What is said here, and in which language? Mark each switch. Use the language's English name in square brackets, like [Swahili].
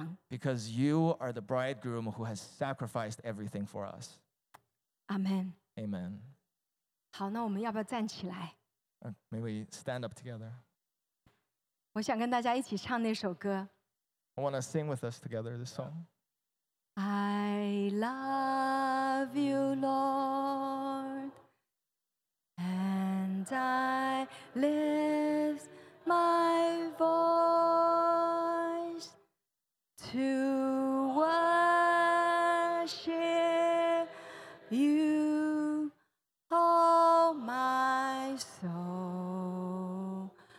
[English] Because you are the bridegroom who has sacrificed everything for us. Amen. Amen. [Chinese] 好，那我们要不要站起来? [English] May we stand up together? [Chinese] 我想跟大家一起唱那首歌。 [English] I want to sing with us together this song. I love you, Lord. And I lift my voice to worship you, all my soul.